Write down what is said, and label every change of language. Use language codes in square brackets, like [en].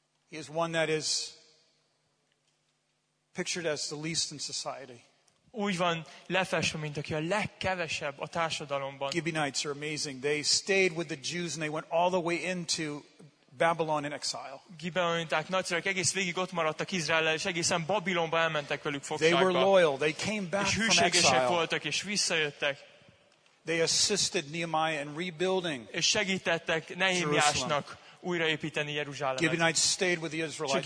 [en] He is one that is pictured as the least in society. [hu] Úgy van lefestve, mint aki a legkevesebb a társadalomban. [en] Gibeonites are amazing. They stayed with the Jews and they went all the way into Babylon in exile. [hu] Gibeonták nagyszerűek, egész végig ott maradtak Izraellel, és egészen Babilonba elmentek velük fogságba. [en] They were loyal. They came back from exile. [hu] És hűségesek voltak, és visszajöttek. [en] They assisted Nehemiah in rebuilding. [hu] És segítettek Nehémiásnak újraépíteni Jeruzsálemet. [en] Gibeonites stayed with the Israelites.